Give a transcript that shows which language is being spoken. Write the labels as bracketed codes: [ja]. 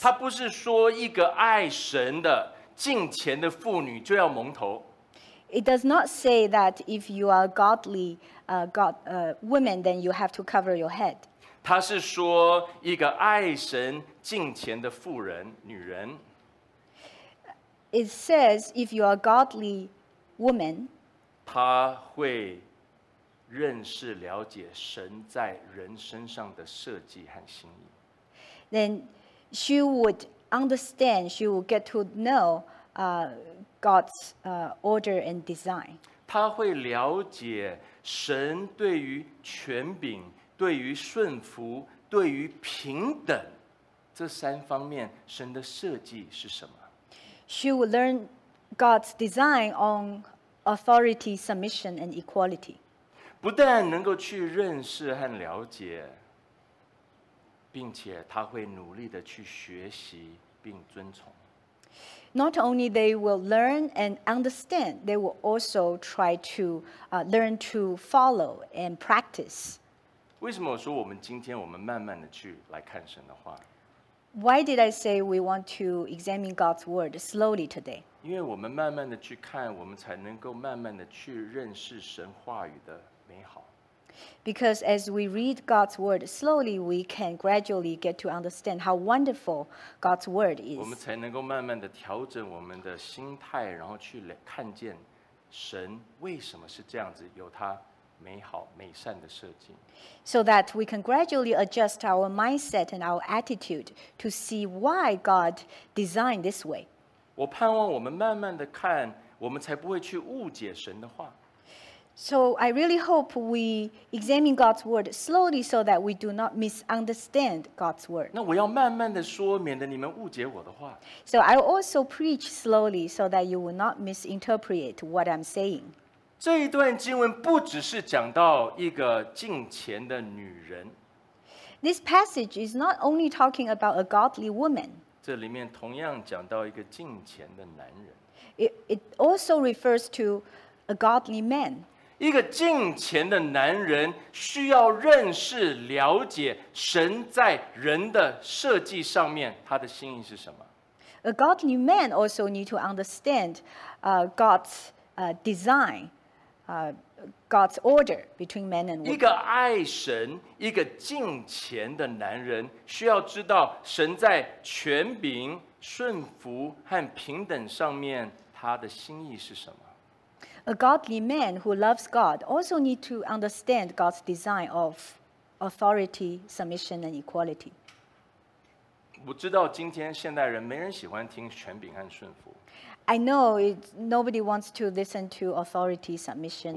[zh] 他不是说一个爱神的敬虔的妇女就要蒙头。 [en] It does not say that if you are godly, woman, then you have to cover your head. [zh] 他是说一个爱神敬虔的妇人，女人。 [en] It says if you are godly woman, [zh] 他会认识了解神在人身上的设计和心意。 [en] Then she would understand, she would get to know, God's order and design. [zh] 他会了解神对于权柄、对于顺服、对于平等这三方面神的设计是什么。 [en] She would learn God's design on authority, submission, and equality. [zh] 不但能够去认识和了解，并且他会努力的去学习并遵从。 [en] Not only they will learn and understand, they will also try to learn to follow and practice. [zh] 为什么我说我们今天我们慢慢的去来看神的话？ [en] Why did I say we want to examine God's word slowly today? [zh] 因为我们慢慢的去看，我们才能够慢慢的去认识神话语的美好。 [en] Because as we read God's word slowly, we can gradually get to understand how wonderful God's word is. [zh] 我们才能够慢慢的调整我们的心态，然后去看见神为什么是这样子，有他美好美善的设计。 [en] So that we can gradually adjust our mindset and our attitude to see why God designed this way. [zh] 我盼望我们慢慢的看，我们才不会去误解神的话。 [en] So I really hope we examine God's word slowly so that we do not misunderstand God's word. [zh] 那我要慢慢的说，免得你们误解我的话。 [en] So I also preach slowly so that you will not misinterpret what I'm saying. [zh] 这一段经文不只是讲到一个敬虔的女人。 [en] This passage is not only talking about a godly woman. [zh] 这里面同样讲到一个敬虔的男人。 [en] It also refers to a godly man. [zh] 一个敬虔的男人需要认识了解神在人的设计上面他的心意是什么。 [en] A godly man also need to understand God's design, God's order between man and woman. [zh] 一个爱神一个敬虔的男人需要知道神在权柄顺服和平等上面他的心意是什么。 [en] A godly man who loves God also needs to understand God's design of authority, submission, and equality. [zh] 我知道今天现代人没人喜欢听权柄和顺服。 [en] I know nobody wants to listen to authority, submission.